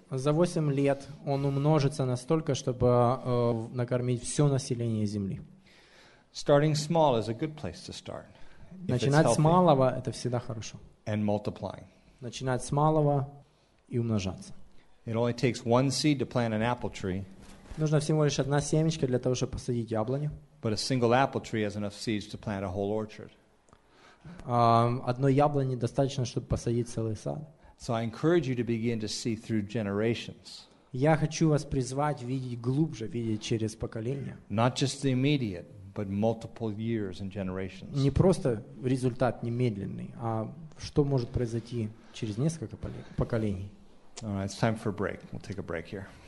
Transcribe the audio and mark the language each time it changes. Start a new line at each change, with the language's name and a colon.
Russian: За 8 лет он умножится настолько, чтобы накормить все население земли.
English: Starting small is a good place to start.
Russian: Начинать с малого — это всегда хорошо.
English: And multiplying.
Russian: Начинать с малого и умножаться.
English: It only takes one seed to plant an apple tree.
Russian: Нужно всего лишь одна семечка для того, чтобы посадить яблоню.
English: But a single apple tree has enough seeds to plant a whole orchard.
Russian: Одной яблони достаточно, чтобы посадить целый сад.
English: So I encourage you to begin to see through generations.
Russian: Я хочу вас призвать видеть глубже, видеть через поколения.
English: Not just the immediate, but multiple years and generations.
Russian: Не просто результат немедленный, а что может произойти через несколько поколений.
English: All right, it's time for a break. We'll take a break here.